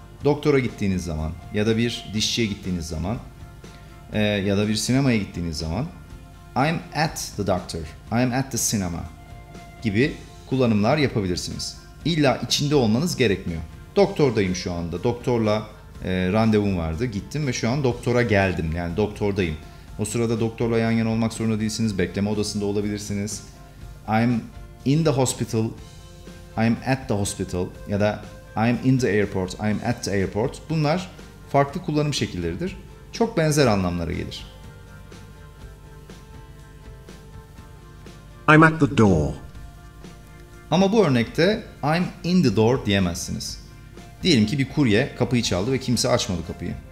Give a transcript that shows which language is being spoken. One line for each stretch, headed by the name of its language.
Turkish: Doktora gittiğiniz zaman ya da bir dişçiye gittiğiniz zaman ya da bir sinemaya gittiğiniz zaman
English: I'm at the doctor, I'm at the cinema
Turkish: gibi kullanımlar yapabilirsiniz. İlla içinde olmanız gerekmiyor. Doktordayım şu anda, doktorla randevum vardı, gittim ve şu an doktora geldim, yani doktordayım. O sırada doktorla yan yana olmak zorunda değilsiniz, bekleme odasında olabilirsiniz.
English: I'm in the hospital, I'm at the hospital
Turkish: ya da
English: I'm in the airport, I'm at the airport.
Turkish: Bunlar farklı kullanım şekilleridir. Çok benzer anlamlara gelir.
English: I'm at the door.
Turkish: Ama bu örnekte
English: I'm in the door
Turkish: diyemezsiniz. Diyelim ki bir kurye kapıyı çaldı ve kimse açmadı kapıyı.